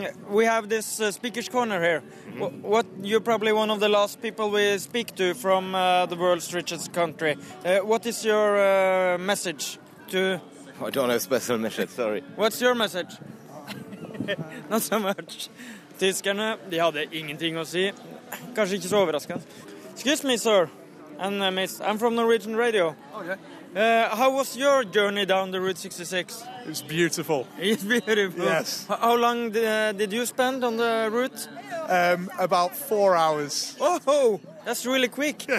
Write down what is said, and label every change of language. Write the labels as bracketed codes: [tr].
[en] We have this speaker's corner here. Mm-hmm. What you're probably one of the last people we speak to from the world's richest country. What is your message to... I don't have a special message, sorry. What's your message? Not so much. [no] Tyskerne, de hadde ingenting å si. Kanskje ikke så overraskende. [en] Excuse me, sir. And miss, I'm from Norwegian Radio. Oh, yeah. How was your journey down the Route 66? It's beautiful. It's beautiful. Yes. How long did you spend on the route? About 4 hours. Oh, that's really quick.